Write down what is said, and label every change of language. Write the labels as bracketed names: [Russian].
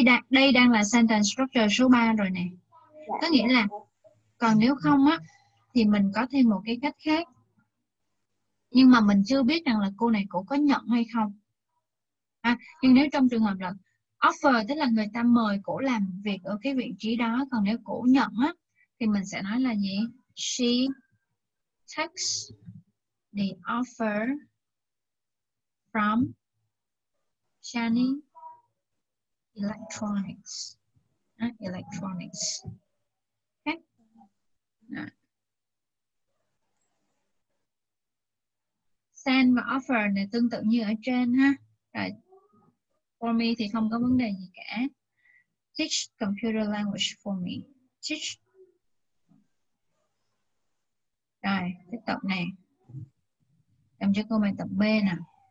[Vietnamese] Đây đang là sentence structure số 3 rồi nè. Có nghĩa là còn nếu không á, thì mình có thêm một cái cách khác. Nhưng mà mình chưa biết rằng là cô này cũng có nhận hay không. À, nhưng nếu trong trường hợp là offer, tức là người ta mời cổ làm việc ở cái vị trí đó, còn nếu cổ nhận á, thì mình sẽ nói là gì? [English] She takes the offer from Shani Electronics. À, Electronics. Okay. [Vietnamese] Send và offer này tương tự như ở trên ha. Rồi, [English] for me [Vietnamese] thì không có vấn đề gì cả. [English] Teach computer language for me. Teach. [Vietnamese] Rồi, tiếp tục này. Em cho cô bài tập B nào.